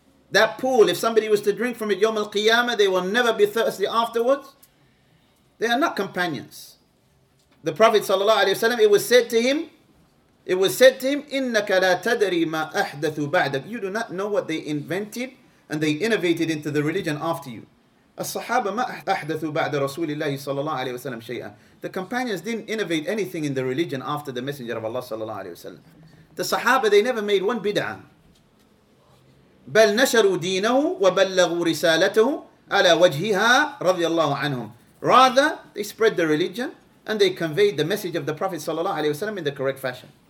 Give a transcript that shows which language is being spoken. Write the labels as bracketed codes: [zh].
[en] That pool, if somebody was to drink from it, Yawm al-Qiyamah, they will never be thirsty afterwards. They are not companions. The Prophet sallallahu alaihi wasallam, it was said to him, [ar] إِنَّكَ لَا تَدْرِي مَا أَحْدَثُ بَعْدَكَ. [en] You do not know what they invented and they innovated into the religion after you. [ar] As-sahaba ma أَحْدَثُ بَعْدَ رَسُولِ اللَّهِ صَلَّى اللَّهُ عَلَيْهِ وَسَلَّمَ شَيْئًا. [en] The companions didn't innovate anything in the religion after the Messenger of Allah sallallahu alaihi wasallam. The Sahaba, they never made one bid'ah. [ar] بَلْ نَشَرُوا دِينَهُ وَبَلَّغُوا رِسَالَتَهُ عَلَى وَجْهِهَا رَضِيَ اللَّهُ عَنْهُمْ. [en] Rather, they spread the religion and they conveyed the message of the Prophet صلى الله عليه وسلم in the correct fashion.